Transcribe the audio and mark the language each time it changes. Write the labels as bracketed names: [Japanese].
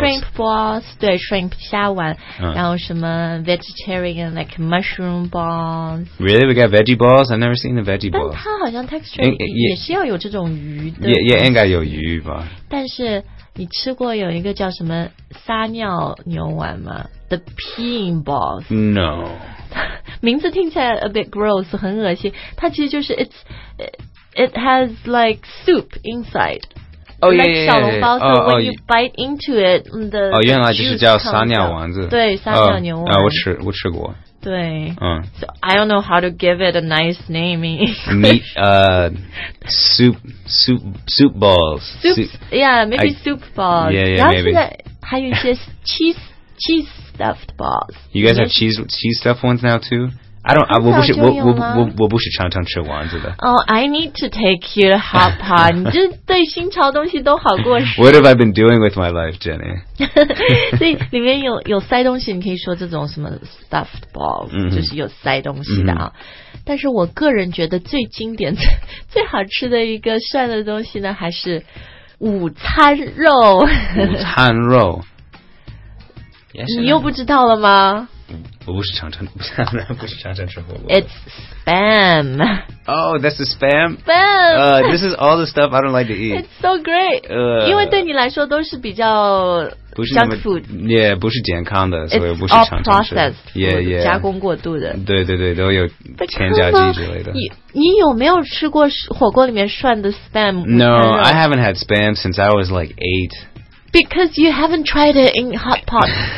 [English] shrimp balls, 对 shrimp 虾丸， [Chinese] 然后什么 [English] vegetarian like mushroom balls. Really, we got veggie balls. I've never seen the veggie balls. [Chinese] 但它好像 texture 也是要有这种鱼的。也应该有鱼吧。但是你吃过有一个叫什么撒尿牛丸吗 ？ [English] The peeing balls. No. [Chinese] 名字听起来 [English] a bit gross, [Chinese] 很恶心。它其实就是 it's [English] it has like soup inside. Oh, like yeah, yeah, yeah, yeah. So when you bite into it, the juice [Chinese] 原来就是叫撒尿丸子。对，撒尿牛丸。我吃，我吃过。对。 [English] So I don't know how to give it a nice name in English. Meat, soup balls. Soup balls. Yeah, maybe. [Chinese] 然后现在还有一些cheese. [English] Cheese stuffed balls. You guys have cheese stuffed ones now too? I don't. [Chinese] I 我不是我不是常常吃丸子的 [English] Oh, I need to take you to hot pot. [Chinese] 你就对新潮东西都好过时 [English] What have I been doing with my life, Jenny? [Chinese] 所以里面有塞东西，你可以说这种什么 stuffed balls，就是有塞东西的啊。但是我个人觉得最经典、最好吃的一个涮的东西呢，还是午餐肉。午餐肉。 Yes, 你又不知道了吗？我不是常常不是常常吃火锅。 [English] It's spam. Oh, that's the spam. Spam. This is all the stuff I don't like to eat. It's so great. [Chinese] 因为对你来说都是比较 junk food. Yeah, 不是健康的，所以我不是常常吃。 [English] It's all processed. Yeah, yeah. [Chinese] 加工过度的。对对对，都有添加剂之类的。你有没有吃过火锅里面涮的 spam？ [English] No, I haven't had spam since I was like 8. Because you haven't tried it in hot pot.